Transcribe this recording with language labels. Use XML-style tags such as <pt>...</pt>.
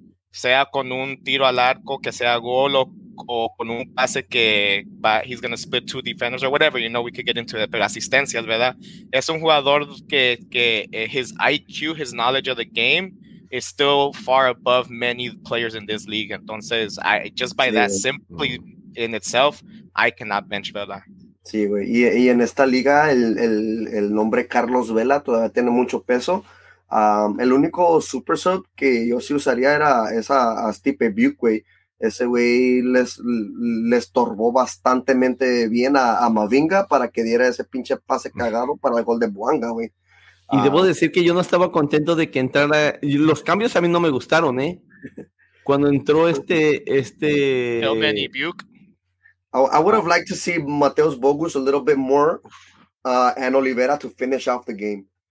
<es>sea con un tiro al arco, que sea gol, o con un pase que va,</es> <en>he's going to split two defenders or whatever, you know, we could get into it,</en> <es>pero asistencias, ¿verdad? Es un jugador que</es> <en>his IQ, his knowledge of the game is still far above many players in this league. Entonces, in itself, I cannot bench Vela.</en> <es>Sí, güey. Y en esta liga el nombre Carlos Vela todavía tiene mucho peso. El único super sub que yo sí usaría era a Stipe Buick, güey. Ese güey les estorbó bastantemente bien a Mavinga para que diera ese pinche pase cagado para el gol de Buanga, güey. Y debo decir que yo no estaba contento de que entrara. Los cambios a mí no me gustaron, Cuando entró este Elmeny Buick.</es> <en>I would have liked to see Mateus Bogus a little bit more and Oliveira to finish off the game.</en>